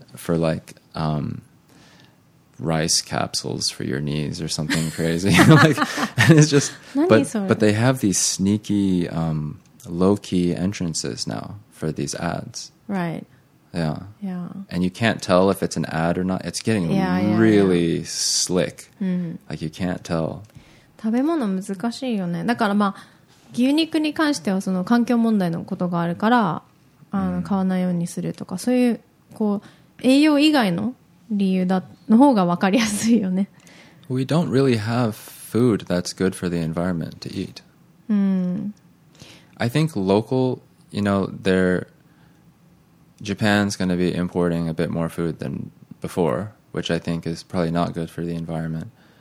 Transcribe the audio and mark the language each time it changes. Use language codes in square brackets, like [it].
[en] For likeRice capsules for your knees or something crazy. Like, it's just, but they have these sneaky, low-key entrances now for these ads. Right. Yeah. Yeah. And you can't tell if it's an ad or not. It's getting really slick. Like, you can't tell. [ja] 食べ物難しいよね。だからまあ、牛肉に関してはその環境問題のことがあるから、買わないようにするとか、そういう、こう、栄養以外の理由だの方が分かりやすいよね。 [en] We don't really have food that's good for the environment to eat. I think local, you know, there Japan's going to be importing a bit more food than before, which I think is probably not good for the environment.